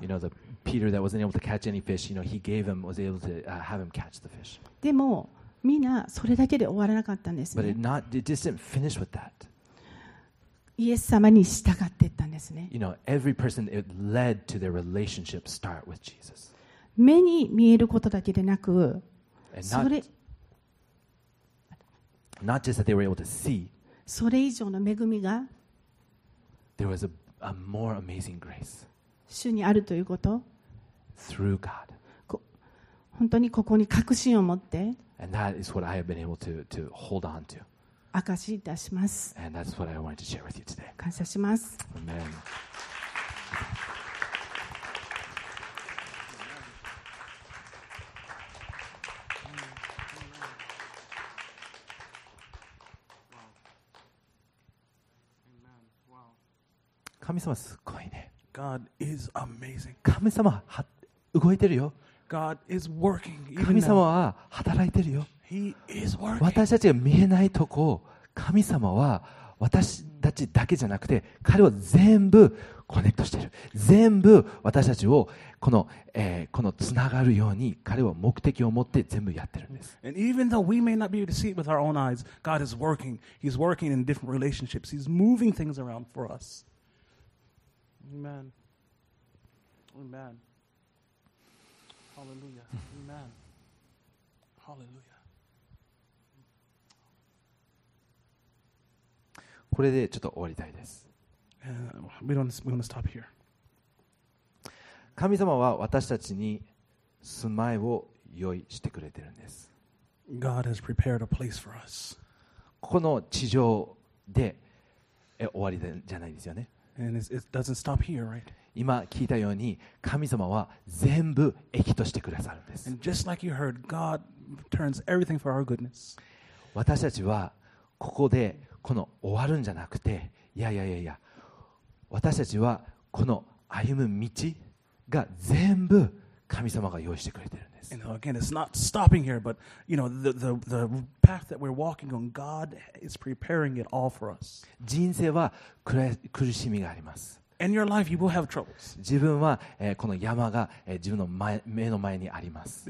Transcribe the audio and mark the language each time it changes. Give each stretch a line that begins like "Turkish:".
English: You know, the Peter that wasn't able to catch any fish, you know, He gave him, was able to have him catch the fish.
Japanese: でも、みんなそれだけで終わらなかったんですね。
English: But it not, it just didn't finish with that.
Japanese: イエス様に従っていったんですね。
English: You know, every person, it led to their relationship start with Jesus.
Japanese: 目に見えることだけでなく、それ、
English: not just that they were able to see,
Japanese: それ以上の恵みが、
English: there was a more amazing grace.
Japanese: 主にあるということ、
English: through God.
Japanese: 本当にここに確信を持って、
English: and that is what I have been able to hold on to.
Japanese: 明かしいたします。
English: And that's what I wanted to share with you today.
Japanese: 感謝します。
English: Amen. Amen.
Japanese: Wow. 神様すごいね。
English: God is amazing.
Japanese: 神様は動いてるよ。
English: God is working.
Japanese: 神様は働いてるよ。
English: He is working.
Japanese: 私たちが見えないとこを神様は私たちだけじゃなくて彼を全部コネクトしている。全部私たちをこの、このつながるように彼は目的を持って全部やってるんです。
English: And even though we may not be able to see it with our own eyes, God is working. He's working in different relationships. He's moving things around for us. Amen. Amen. Hallelujah. Amen. Hallelujah.
Japanese: これでちょっと終わりたいです。
English: We wanna stop here.
Japanese: 神様は私たちに住まいを用意してくれてるんです。
English: God has prepared a place for us.
Japanese: この地上で終わりじゃないですよね。
English: And it doesn't stop here, right?
Japanese: 今聞いたように神様は全部益としてくださるんです。
English: And just like you heard, God turns everything for our goodness.
Japanese: 私たちはここでこの終わるんじゃなくて、いや、私たちはこの歩む道が全部神様が用意してくれてるんです。
English: And again, it's not stopping here, but you know, the path that we're walking on, God is preparing it all for us.
Japanese: 人生は苦しみがあります。
English: And your life, you will have troubles.
Japanese: 自分は、この山が、自分の目の前にあります。